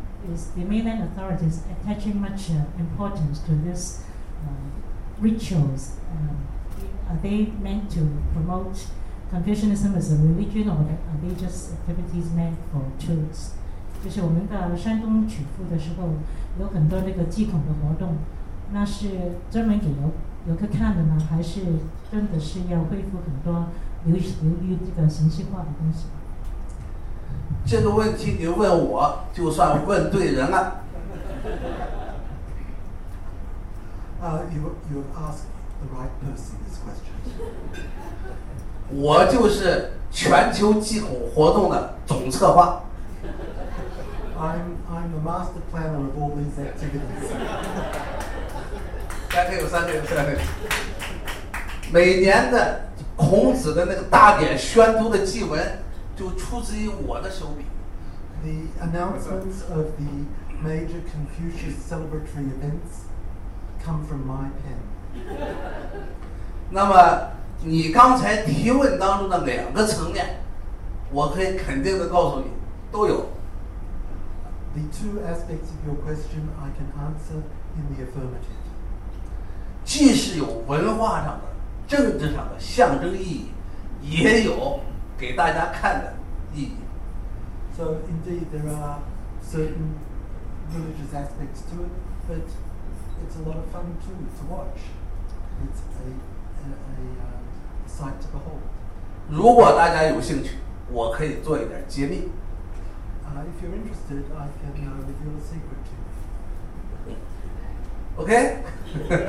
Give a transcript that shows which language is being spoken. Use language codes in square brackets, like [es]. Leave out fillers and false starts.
[en] Is the mainland authorities attaching much importance to this rituals? Are they meant to promote Confucianism as a religion, or are they just activities meant for tourists? [zh] 就是我们到山东曲阜的时候，有很多这个祭孔的活动，那是专门给游客看的呢，还是真的是要恢复很多流于这个形式化的东西？这个问题你问我就算问对人了。 [en] You ask the right person this question. [zh] 我就是全球祭孔活动的总策划。 [en] I'm the master planner of all these activities. [zh] 三天有三天。每年的孔子的那个大典宣读的祭文就出自于我的手笔。 [en] The announcements of the major Confucius celebratory events come from my pen. [zh] 那么你刚才提问当中的两个层面，我可以肯定的告诉你，都有。 [en] The two aspects of your question I can answer in the affirmative. [zh] 既是有文化上的、政治上的象征意义，也有。给大家看的意义。 [en] So indeed, there are certain religious aspects to it, but it's a lot of fun too to watch. It's a sight to behold. [zh] 如果大家有兴趣，我可以做一点揭秘。 [en] If you're interested, I can reveal a secret to you.